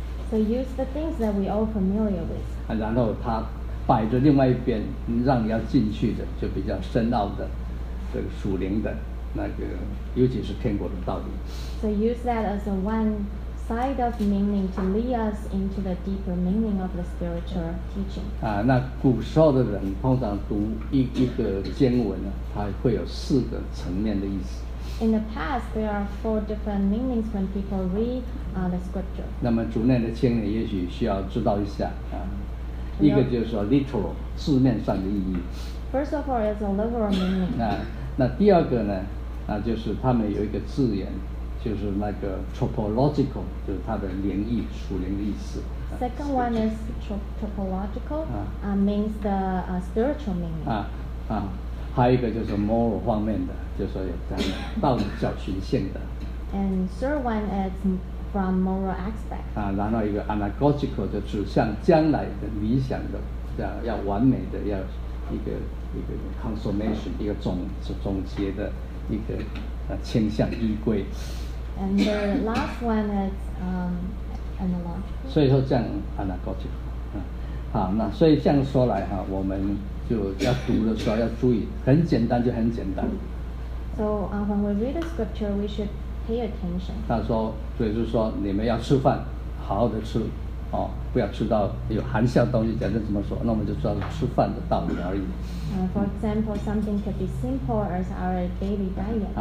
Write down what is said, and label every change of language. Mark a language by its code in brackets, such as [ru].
[en] So use the things that we all familiar with. [zh] 然后它摆着另外一边，让你要进去的就比较深奥的，这个属灵的那个，尤其是天国的道理。 [en] So use that as a one side of meaning to lead us into the deeper meaning of the spiritual teaching. [zh] 那古时候的人通常读一个经文呢，它会有四个层面的意思。 [en] In the past, there are four different meanings when people read the scripture. [zh] 那么主内的青年也许需要知道一下一个就是说 literal 字面上的意义。 [en] First of all, it's a literal meaning. [zh] 那第二个呢？就是他们有一个字眼，就是那个 topological， 就是它的灵意、属灵的意思。 [en] Second one is topological, means the spiritual meaning. [zh] 还有一个就是 moral 方面的。就是说有道理教训性的。 [en] And third one is from moral aspect. [zh] 然后一个 anagogical 就指向将来的理想的，要完美的，要一个 consummation， 一个总结的一个倾向依归。 [en] And the last one is analogical. [zh] 所以说这样 anagogical。好，那所以这样说来我们就要读的时候要注意，很简单就很简单。 [en] So when we read the scripture, we should pay attention. [zh] 他说，所以就说你们要吃饭，好好的吃，哦，不要吃到有含笑东西。假设怎么说，那我们就知道吃饭的道理而已。 [en] For example, something could be simple as our daily diet.